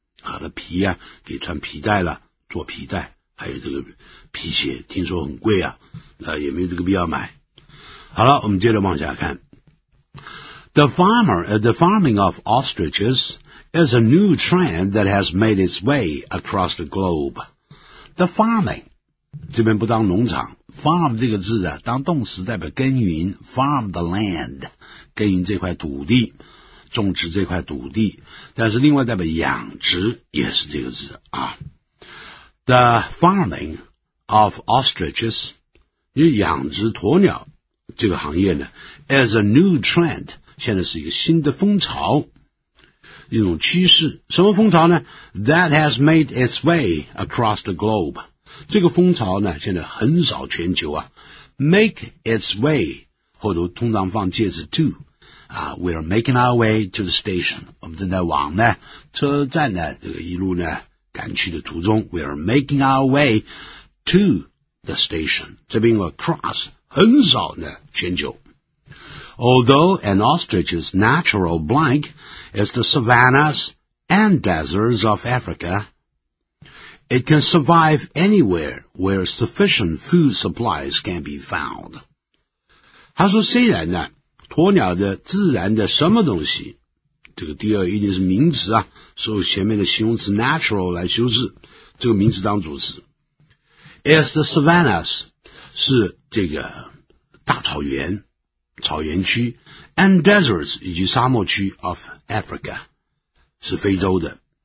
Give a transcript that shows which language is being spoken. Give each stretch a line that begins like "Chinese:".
Chinese: 好的皮啊可以穿皮带了，做皮带，还有这个皮鞋听说很贵啊，也没有这个必要买。好了，我们接着往下看。
English: The farming of ostriches is a new trend that has made its way across the globe. The farming,
Chinese: 这边不当农场， farm 这个字啊当动词代表耕耘，
English: farm the land,
Chinese: 耕耘这块土地。种植这块土地，但是另外代表养殖也是这个字啊。
English: The farming of ostriches,
Chinese: 因为养殖鸵鸟这个行业呢 ,
English: is a new trend,
Chinese: 现在是一个新的风潮，一种趋势。什么风潮呢
English: ?That has made its way across the globe.
Chinese: 这个风潮呢现在横扫全球啊。
English: Make its way,
Chinese: 后头通常放介词
English: to,we are making our way to the station.
Chinese: 我们正在往呢车站呢这个一路呢赶去的途中。
English: We are making our way to the station.
Chinese: 这边有 cross, 横扫呢全球。
English: Although an ostrich's natural blank is the savannas and deserts of Africa, it can survive anywhere where sufficient food supplies can be found.
Chinese: 他说虽然呢鸵鸟的自然的什么东西，这个第二一定是名词啊，受前面的形容词 natural 来修饰，这个名词当主词。
English: Is the savannas,
Chinese: 是这个大草原草原区 ,
English: and deserts,
Chinese: 以及沙漠区
English: of Africa,
Chinese: 是非洲的。